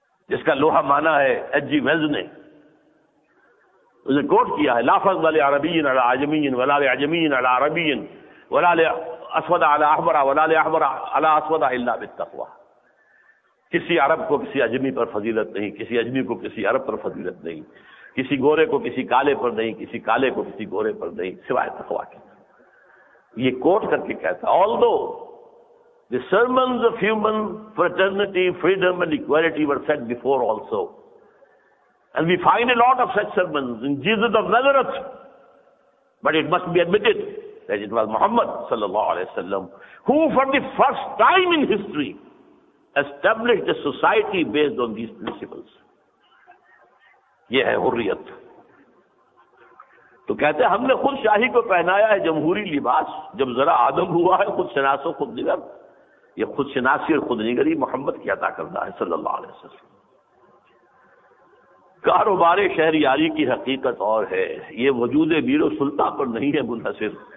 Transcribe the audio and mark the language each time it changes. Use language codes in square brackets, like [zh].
[ur] جس کا لوہا مانا ہے ایچ جی ویلز نے، اسے کوٹ کیا ہے، [ar] لافظ والے عربین علی عجمین ولا عجمین علی عربین ولا اسود علی احمر ولا احمر علی اسود الا بالتقوی. [ur] کسی عرب کو کسی اجمی پر فضیلت نہیں، کسی اجمی کو کسی عرب پر فضیلت نہیں، کسی گورے کو کسی کالے پر نہیں، کسی کالے کو کسی گورے پر نہیں، سوائے تقوا کے. یہ کوٹ کر کے کہتا ہے [en] Although the sermons of human fraternity, freedom and equality were said before also. And we find a lot of such sermons in Jesus of Nazareth. But it must be admitted that it was Muhammad sallallahu alayhi wa sallam who for the first time in history established a society based on these principles. [ur] یہ ہے حریت. تو کہتے ہیں ہم نے خود شاہی کو پہنایا ہے جمہوری لباس، جب ذرا آدم ہوا ہے خود شناس و خود نگر. یہ خود شناسی اور خود نگری محمد کی عطا کردہ ہے صلی اللہ علیہ وسلم. کاروبار شہریاری کی حقیقت اور ہے، یہ وجود بیر و سلطہ پر نہیں ہے منحصر.